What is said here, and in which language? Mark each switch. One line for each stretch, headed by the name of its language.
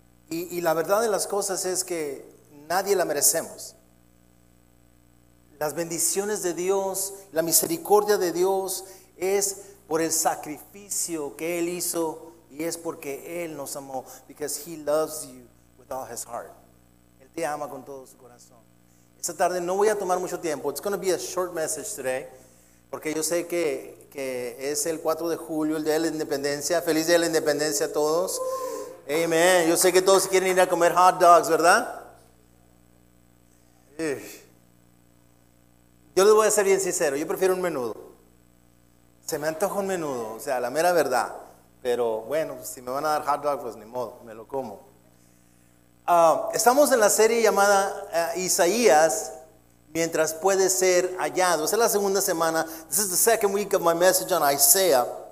Spanish: Y la verdad de las cosas es que nadie la merecemos. Las bendiciones de Dios, la misericordia de Dios es por el sacrificio que Él hizo y es porque Él nos amó.
English: Because He loves you with all His heart.
Spanish: Él te ama con todo su corazón. Esta tarde no voy a tomar mucho tiempo.
English: It's going to be a short message today.
Spanish: Porque yo sé que es el 4 de julio, el Día de la Independencia. Feliz Día de la Independencia a todos. Amén. Yo sé que todos quieren ir a comer hot dogs, ¿verdad? Yo les voy a ser bien sincero. Yo prefiero un menudo. Se me antoja un menudo. O sea, la mera verdad. Pero bueno, si me van a dar hot dogs, pues ni modo. Me lo como. Estamos en la serie llamada Isaías, Mientras Puede Ser Hallado. Esa es la segunda semana.
English: This is the second week of my message on Isaiah.